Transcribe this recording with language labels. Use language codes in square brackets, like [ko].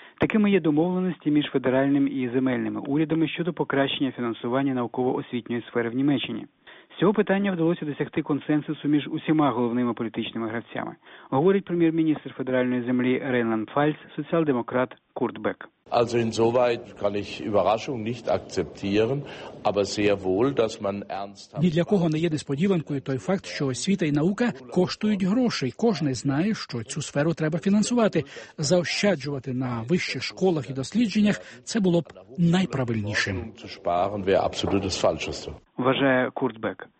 [uk] Такими є домовленості між федеральним і земельними урядами щодо покращення фінансування науково-освітньої сфери в Німеччині. З цього питання вдалося досягти консенсусу між усіма головними політичними гравцями, говорить прем'єр-міністр федеральної землі Рейнланд-Пфальц, соціал-демократ Курт Бек. [de] Also insoweit kann ich Überraschung nicht akzeptieren, aber sehr wohl, dass man ernsthaft. [uk] Ні для кого не є несподіванкою той факт, що освіта і наука коштують грошей. Кожен знає, що цю сферу треба фінансувати. Заощаджувати на вищих школах і дослідженнях – це було б найправильнішим. Вважає Курт Бек.